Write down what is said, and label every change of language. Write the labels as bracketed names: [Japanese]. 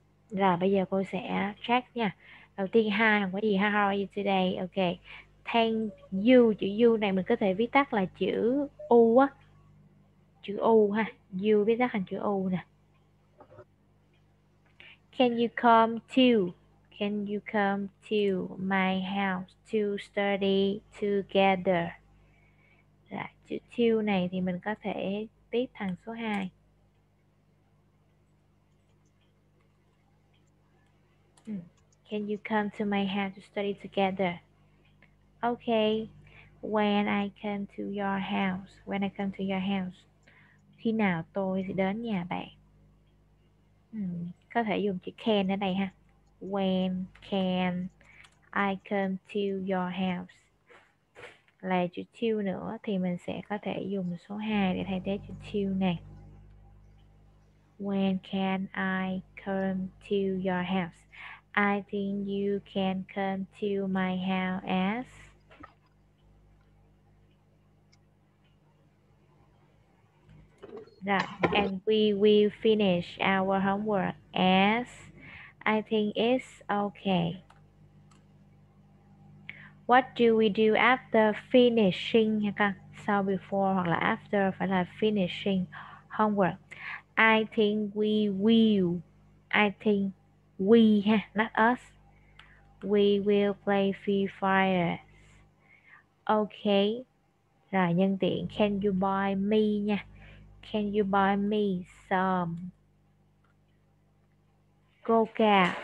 [Vietnamese] Rồi bây giờ cô sẽ check nha. Đầu tiên [English] hi, [Vietnamese] không có gì. [English] How are you today? Ok. Thank you. [Vietnamese] Chữ you này mình có thể viết tắt là chữ U á. Chữ U ha. You viết tắt thành chữ U nè. [English] Can you come to? Can you come to my house to study together? [Vietnamese] Là chữ till này thì mình có thể tiếp thằng số 2. [English] Can you come to my house to study together? Okay, when I come to your house, when I come to your house. [Vietnamese] Khi nào tôi sẽ đến nhà bạn? Có thể dùng chữ can ở đây ha. [English] When can I come to your house? [Vietnamese] Là chữ till nữa thì mình sẽ có thể dùng số 2 để thay thế chữ till này. [English] When can I come to your house? I think you can come to my house as. [Vietnamese] Rồi, [English] and we will finish our homework as I think it's okay. What do we do after finishing [Vietnamese] nha con? Sau before hoặc là after phải là [English] finishing homework. I think we will. I think we ha, not us. We will play Free Fire. Ok. [Vietnamese] Rồi nhân tiện [English] can you buy me [Vietnamese] nha. [English] Can you buy me some Coca?